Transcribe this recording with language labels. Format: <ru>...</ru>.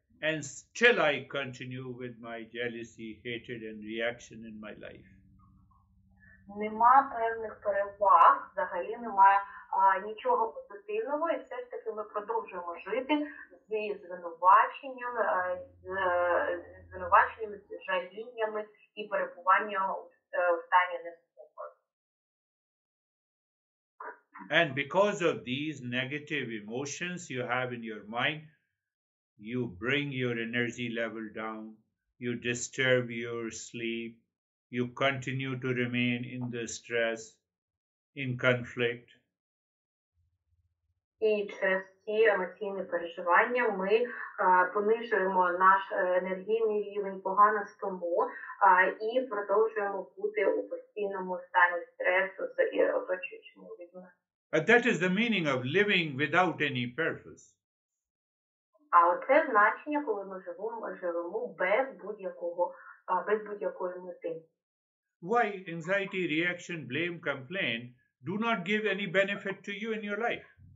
<en>And still I continue with my jealousy, hatred and reaction in my life.</en> <uk>Нема певних переваг, взагалі немає нічого позитивного, і все ж таки ми продовжуємо жити зі звинуваченнями, жаліннями і перебуванням в стані неспокою.</uk> <en>And because of these negative emotions you have in your mind, you bring your energy level down, you disturb your sleep, you continue to remain in the stress, in conflict.</en> <uk>І через ці емоційні переживання ми понижуємо наш енергійний рівень, погано з тому, і продовжуємо бути у постійному стані стресу з оточуючими людьми.</uk> <en>But that is the meaning of living without any purpose.</en> <uk>А оце значення, коли ми живемо без будь-якого, без будь-якої мети.</uk> <en>Why anxiety, reaction, blame, complain do not give any benefit to you in your life?</en>